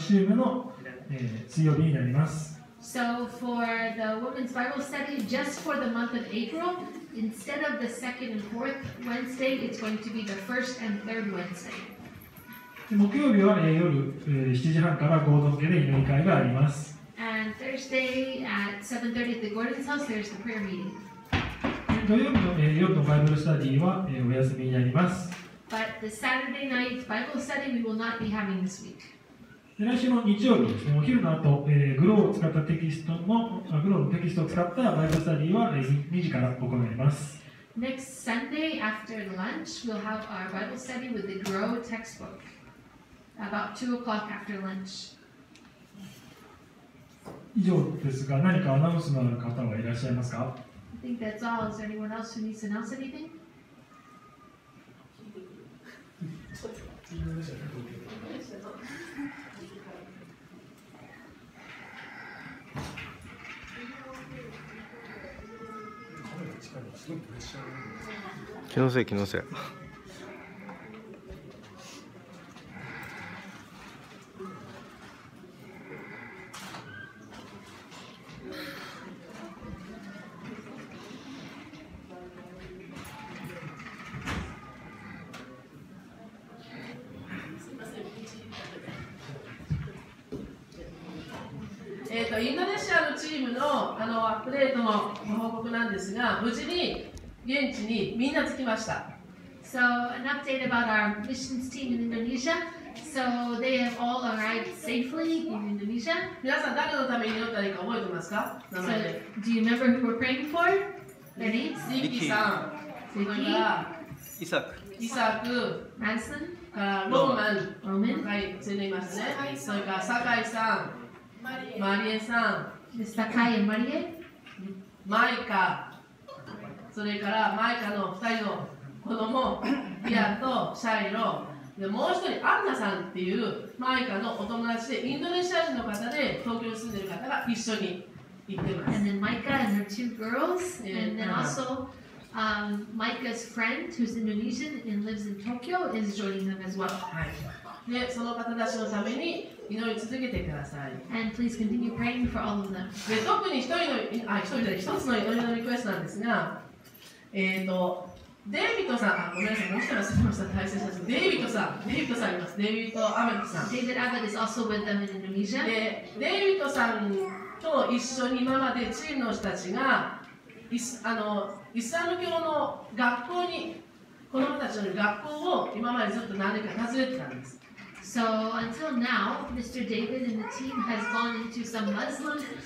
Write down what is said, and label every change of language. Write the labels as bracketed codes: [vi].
[ja] 女性のバイブルスタディですかね、4月の1ヶ月だけ、2週目、4週目ではなく、1週目と3週目の、水曜日になります。 [en] So for the women's Bible study, just for the month of April, instead of the second and fourth Wednesday, it's going to be the first and third Wednesday. [ja] 木曜日は夜7時半から合同系で祈り会があります。 [en] And Thursday at 7:30 at the Gordon's house, there's the prayer meeting. [ja] 土曜日の夜のバイブルスタディは、お休みになります。 [en] But the Saturday night Bible study we will not be having this week. [ja] 来週の日曜日ですね、お昼の後、グローを使ったテキストも、グローのテキストを使ったバイブルスタディは2時から行います。 [en] Next Sunday after lunch, we'll have our Bible study with the Grow textbook about 2 o'clock after lunch. [ja] 以上ですが、何かアナウンスのある方はいらっしゃいますか? [en] I think that's all. Is there anyone else who needs to announce anything? きのせい。 [ja] インドネシアのチームの、アップデートのご報告なんですが、無事に現地にみんな着きました。 [en] So, an update about our missions team in Indonesia. So, they have all arrived safely in Indonesia. [ja] 皆さん、誰のために祈ったらいいか覚えてますか名前で。 [en] So, do you remember who we're praying for? Their name? [ja] Nikki さん。 Nikki? Isaac。 Isaac。 Manson? Roman。 Roman。はい、連れていますね。それから、酒井さん。マリエさん。 [en] Ms. Takai and Marie? [ja] マイカ。それからマイカの2人の子供、ピアとシャイロ。でもう一人、アンナさんっていうマイカのお友達で、インドネシア人の方で東京に住んでる方が一緒に行ってます。 [en] And then Maika and her two girls, and then also Maika's friend, who's Indonesian and lives in Tokyo, is joining them as well. [ja] はい。で、その方たちのために祈り続けてください。 [en] And please continue praying for all of them. [ja] で、特に一つの祈りのリクエストなんですが、デイビッドさん、あ、ごめんなさい、もしかしたら忘れました、大切な人、デイビッドさんいます、デイビッド・アベットさん。 [en] David Abbott is also with them in Indonesia. [ja] で、デイビッドさんと一緒に今までチームの人たちが、イスラム教の学校に、子供たちの学校を今までずっと何年か訪れてたんです。 [en] So until now, Mr. David and the team has gone into some Muslim,